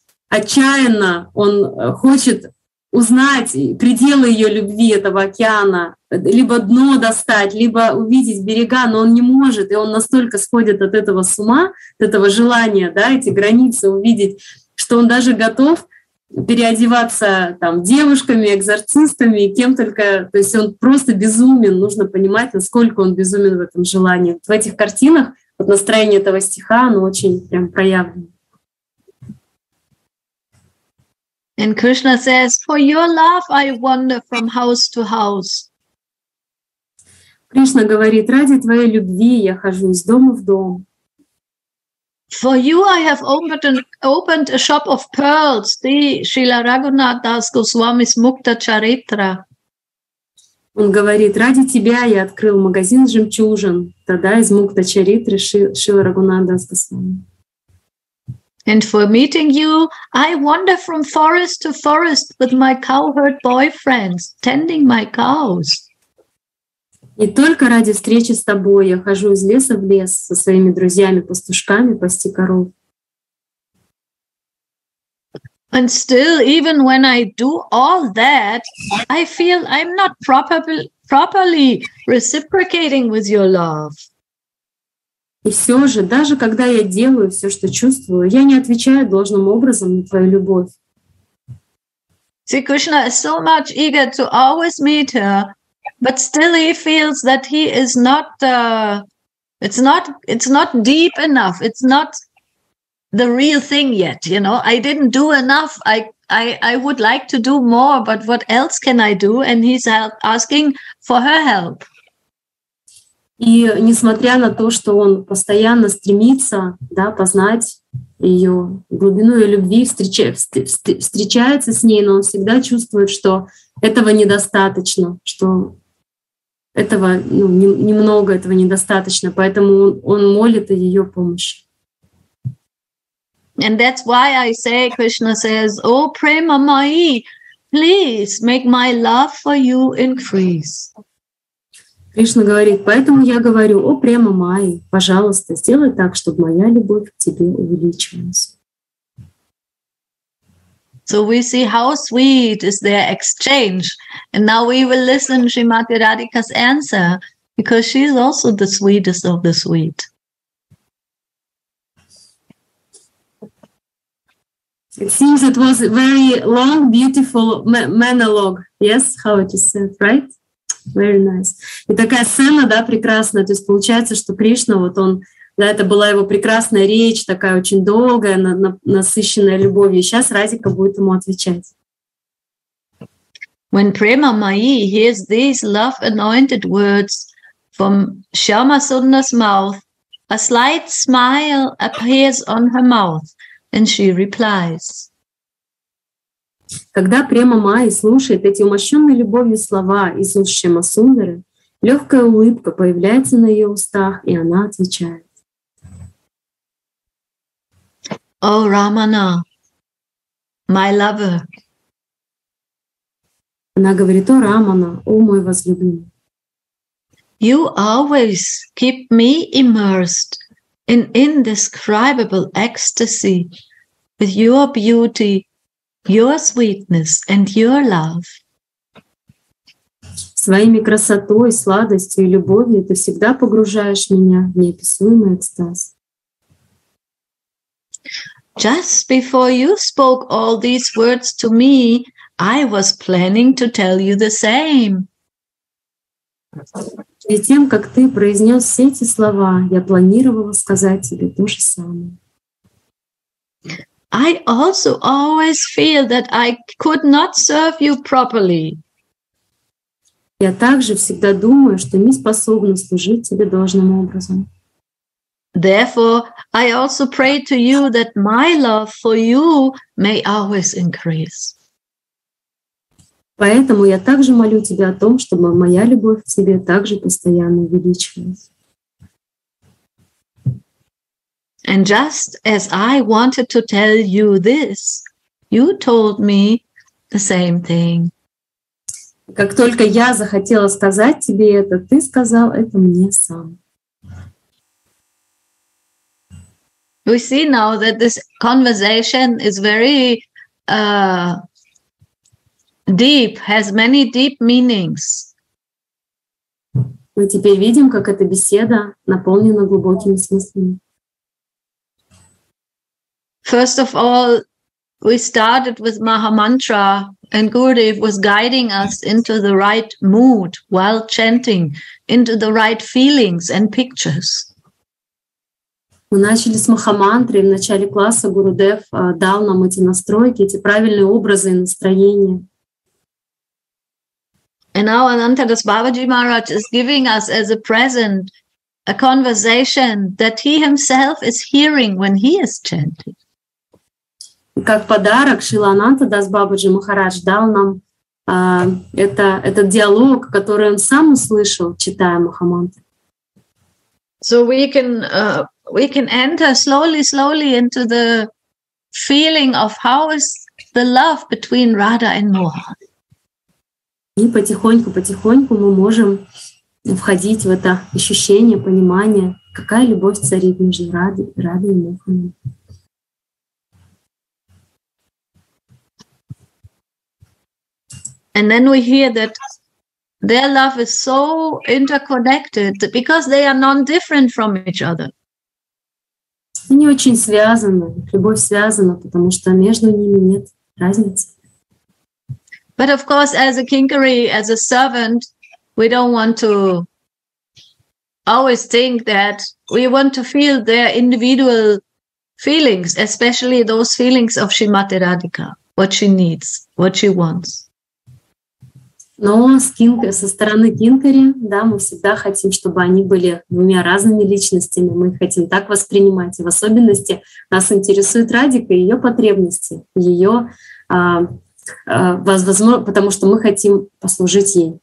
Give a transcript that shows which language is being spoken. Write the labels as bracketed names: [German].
[Russian] отчаянно, он хочет узнать пределы ее любви, этого океана, либо дно достать, либо увидеть берега, но он не может, и он настолько сходит от этого с ума, от этого желания, да, эти границы увидеть, что он даже готов переодеваться там девушками, экзорцистами, кем только, то есть он просто безумен, нужно понимать, насколько он безумен в этом желании. В этих картинах вот настроение этого стиха, оно очень прям проявлено. [English] And Krishna says, for your love I wander from house to house. [Russian] Кришна говорит, ради твоей любви я хожу из дома в дом. [English] For you I have opened a shop of pearls, the Srila Raghunath Das Goswami's Mukta Charitra. [Russian] Он говорит, ради тебя я открыл магазин жемчужин, тогда из Мукта Чаритры Шрила Рагунат Дас Госвами. [English] And for meeting you, I wander from forest to forest with my cowherd boyfriends, tending my cows. [Russian] И только ради встречи с тобой я хожу из леса в лес со своими друзьями-пастушками пасти коров. [English] And still, even when I do all that, I feel I'm not properly reciprocating with your love. [Russian] И все же, даже когда я делаю все, что чувствую, я не отвечаю должным образом на твою любовь. [English] See, Krishna is so much eager to always meet her, but still he feels that he is not It's not deep enough. It's not the real thing yet. You know, I didn't do enough. I would like to do more, but what else can I do? And he's asking for her help. [Russian] И несмотря на то, что он постоянно стремится, да, познать ее глубину ее любви, встречается с ней, но он всегда чувствует, что этого недостаточно, что этого, ну, немного, этого недостаточно, поэтому он молит о ее помощи. [English] And that's why I say, Krishna says, "O Prema Mayi, please make my love for you increase." [Russian] Кришна говорит, поэтому я говорю, о Према Майи, пожалуйста, сделай так, чтобы моя любовь к тебе увеличилась. [English] So we see how sweet is their exchange. And now we will listen to Srimati Radhika's answer, because she is also the sweetest of the sweet. It seems it was a very long, beautiful monologue. Yes, how it is said, right? Very nice. [Russian] И такая сцена, да, прекрасная. То есть получается, что Кришна, вот он, да, это была его прекрасная речь, такая очень долгая, насыщенная любовью. Сейчас Радика будет ему отвечать. [English] When Prema Mayi hears these love-anointed words from Shyama Sundar's mouth, a slight smile appears on her mouth, and she replies. [Russian] Когда Према Майи слушает эти умощенные любовью слова из уст Шьяма Сундары, легкая улыбка появляется на ее устах, и она отвечает. [English] О, Рамана, my lover. [Russian] Она говорит, о, Рамана, о, мой возлюбленный. [English] You always keep me immersed in indescribable ecstasy with your beauty, your sweetness and your love. [Russian] Своими красотой, сладостью и любовью ты всегда погружаешь меня в неописуемый экстаз. [English] Just before you spoke all these words to me, I was planning to tell you the same. [Russian] Перед тем, как ты произнес все эти слова, я планировала сказать тебе то же самое. [English] I also always feel that I could not serve you properly. [Russian] Я также всегда думаю, что не способна служить тебе должным образом. [English] Therefore, I also pray to you that my love for you may always increase. [Russian] Поэтому я также молю тебя о том, чтобы моя любовь к тебе также постоянно увеличивалась. [English] And just as I wanted to tell you this, you told me the same thing. [Russian] Как только я захотела сказать тебе это, ты сказал это мне сам. [English] We see now that this conversation is very deep, has many deep meanings. [Russian] Мы теперь видим, как эта беседа наполнена глубокими смыслами. [English] First of all, we started with Maha Mantra, and Gurudev was guiding us into the right mood while chanting, into the right feelings and pictures. [Russian] Мы начали с Маха Мантры, в начале класса Гурудев дал нам эти настройки, эти правильные образы и настроения. [English] And now Anantadas Babaji Maharaj is giving us as a present a conversation that he himself is hearing when he is chanting. [Russian] Как подарок Шрила Анандадас Бабаджи Махарадж дал нам этот диалог, который он сам услышал, читая Махамантру. [English] So we can enter slowly into the feeling of how is the love between Radha and Maha. [Russian] И потихоньку мы можем входить в это ощущение, понимание, какая любовь царит между Радой и Махой. [English] And then we hear that their love is so interconnected because they are non-different from each other. [Russian] Они очень связаны, любовь связана, потому что между ними нет разницы. [English] But of course, as a kinkari, as a servant, we don't want to always think that we want to feel their individual feelings, especially those feelings of Srimati Radhika, what she needs, what she wants. [Russian] Но с Кинкари, со стороны Кинкари, да, мы всегда хотим, чтобы они были двумя разными личностями. Мы хотим так воспринимать. И в особенности нас интересует Радика и ее потребности, ее возможно, потому что мы хотим послужить ей.